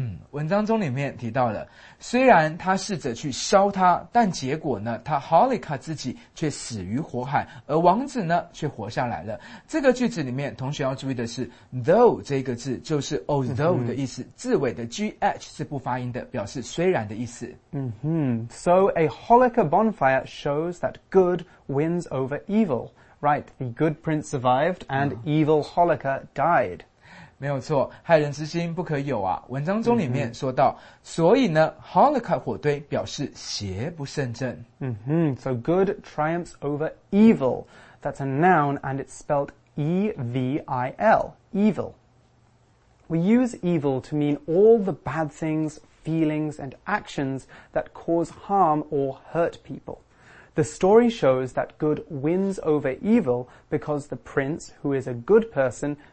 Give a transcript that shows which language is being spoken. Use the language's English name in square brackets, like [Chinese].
[Chinese] 文章中里面提到了，虽然他试着去烧他，但结果呢，他 Holika 自己却死于火海，而王子呢却活下来了。这个句子里面同学要注意的是 though 这个字就是 although 的意思，字尾的 gh 是不发音的，表示虽然的意思。 [English] So a Holika bonfire shows that good wins over evil. Right, the good prince survived and evil Holika died. [Chinese] 没有错，害人之心不可有啊。文章中里面说到，所以呢 Holika 火堆表示邪不胜正。 [English] So good triumphs over evil. That's a noun and it's spelled E-V-I-L, evil. We use evil to mean all the bad things, feelings and actions that cause harm or hurt people. The story shows that good wins over evil because the prince, who is a good person,